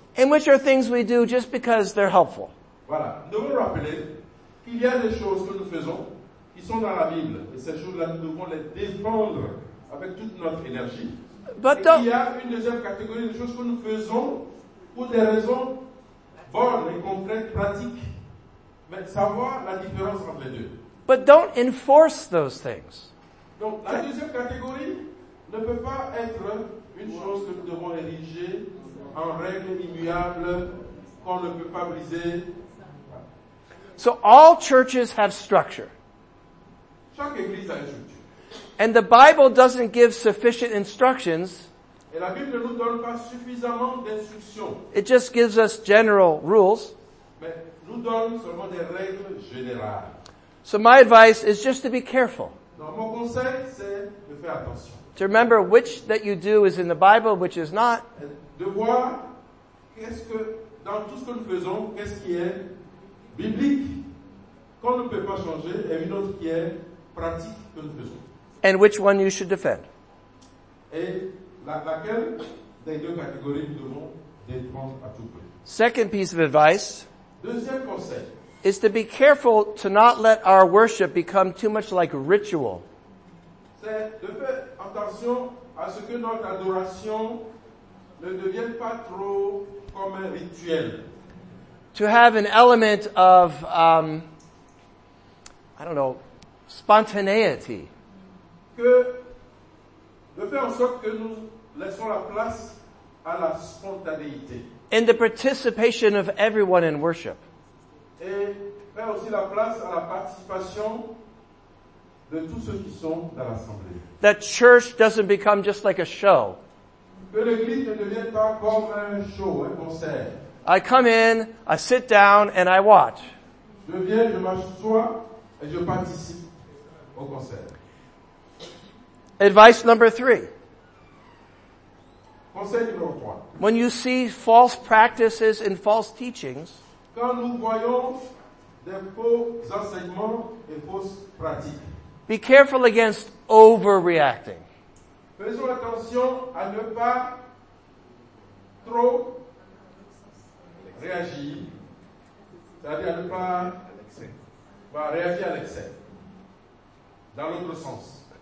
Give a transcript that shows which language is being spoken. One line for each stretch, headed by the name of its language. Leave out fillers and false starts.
English: and which are things we do just because they're helpful.
French: Voilà. Nous devons rappeler qu'il y a des choses que nous faisons qui sont dans la Bible, et ces choses-là, nous devons les défendre avec toute notre énergie.
English: But
French: il y a une deuxième catégorie de choses que nous faisons pour des raisons bonnes et concrètes, pratiques, mais savoir la différence entre les deux.
English: But don't enforce those things.
French: Donc, la deuxième catégorie ne peut pas être une chose que nous devons ériger en règle immuable, qu'on ne peut pas briser.
English: So all churches have structure.
French: Chaque église a une structure.
English: And the Bible doesn't give sufficient instructions.
French: Et la Bible ne nous donne pas suffisamment d'instructions.
English: It just gives us general rules.
French: Mais nous donne seulement des règles générales.
English: So my advice is just to be careful.
French: Donc mon conseil, c'est de faire attention.
English: To remember which that you do is in the Bible, which is not.
French: De voir qu'est-ce que, dans tout ce que nous faisons, qu'est-ce qui est biblique, qu'on ne peut pas changer, et une autre qui est pratique que nous faisons.
English: And which one you should defend.
French: Et laquelle des deux catégories nous devons défendre à tout prix.
English: Second piece of advice.
French: Deuxième conseil.
English: Is to be careful to not let our worship become too much like ritual.
French: C'est de faire attention à ce que notre adoration ne devienne pas trop comme un rituel.
English: To have an element of, I don't know, spontaneity.
French: Que de faire en sorte que nous laissons la place à la spontanéité.
English: And the participation of everyone in worship.
French: Et faire aussi la place à la participation de tous ceux qui sont dans l'assemblée.
English: That church doesn't become just like a show.
French: Que l'église ne devienne pas comme un show, un concert.
English: I come in, I sit down, and I watch.
French: Je viens, je m'assois, et je participe au concert.
English: Advice number three.
French: Conseil numéro trois.
English: When you see false practices and false teachings,
French: quand nous voyons des faux enseignements et fausses pratiques,
English: be careful against overreacting.
French: Faisons attention à ne pas trop réagir, c'est-à-dire à ne pas réagir à l'excès, dans l'autre sens.